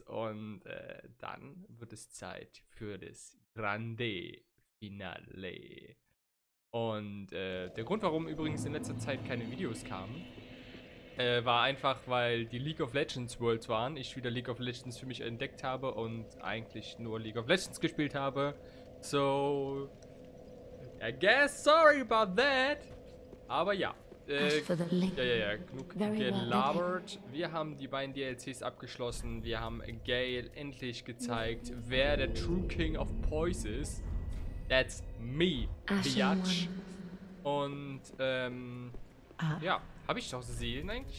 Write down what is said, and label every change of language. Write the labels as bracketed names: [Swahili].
[German] Und dann wird es Zeit für das Grande Finale. Und der Grund, warum übrigens in letzter Zeit keine Videos kamen, war einfach, weil die League of Legends Worlds waren. Ich wieder League of Legends für mich entdeckt habe und eigentlich nur League of Legends gespielt habe. [English] So, I guess sorry about that. [German] Aber ja, genug gelabert. Wir haben die beiden DLCs abgeschlossen. Wir haben Gale endlich gezeigt, wer der True King of Poise ist. [English] That's me, Biatch. [German] Und, ja, habe ich noch Seelen eigentlich?